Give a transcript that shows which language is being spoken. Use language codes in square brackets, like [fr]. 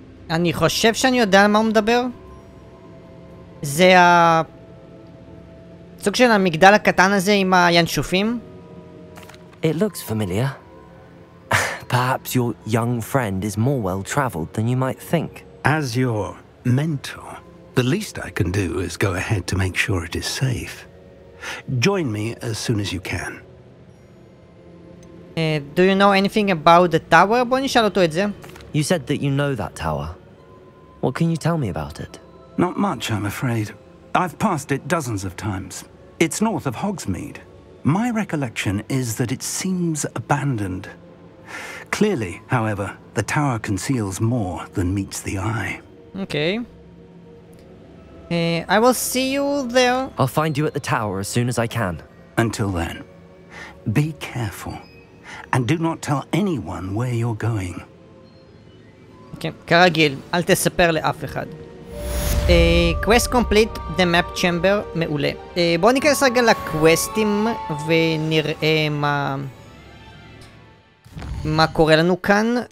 [he] אני חושב שאני יודע מה הוא מדבר. זה ה... סוג של המגדל הקטן הזה עם הינשופים? [en] It looks familiar. Perhaps your young friend is more well-traveled than you might think. As your mentor, the least I can do is go ahead to make sure it is safe. Join me as soon as you can. Do you know anything about the tower? Bo nie szalotu edzie. You said that you know that tower. What can you tell me about it? Not much, I'm afraid. I've passed it dozens of times. It's north of Hogsmeade. My recollection is that it seems abandoned. Clearly, however, the tower conceals more than meets the eye. Okay. I will see you there. I'll find you at the tower as soon as I can. Until then, be careful. And do not tell anyone where you're going. [he] Okay, כרגיל, אל תספר לאף אחד. [en] Quest complete, the map chamber, [he] מעולה. בואו ניכנס רגע לקווסטים ונראה מה... מה קורה לנו כאן.